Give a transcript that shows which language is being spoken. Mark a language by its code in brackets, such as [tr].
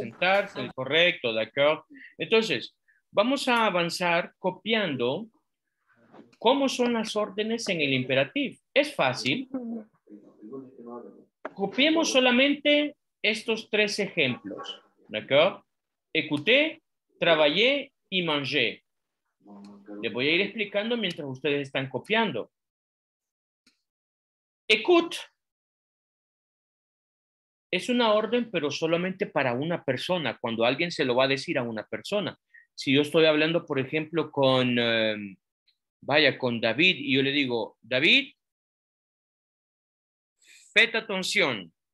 [es] sentarse, correcto, ¿de acuerdo? Entonces, vamos a avanzar copiando cómo son las órdenes en el imperativo. Es fácil. Copiemos solamente estos tres ejemplos, ¿de acuerdo? [fr] Écouté, travaillé y mangé. [es] Les voy a ir explicando mientras ustedes están copiando. [fr] Écoute. [es] Es una orden, pero solamente para una persona, cuando alguien se lo va a decir a una persona. Si yo estoy hablando, por ejemplo, con, vaya, con David, y yo le digo, David, [fr] fait attention.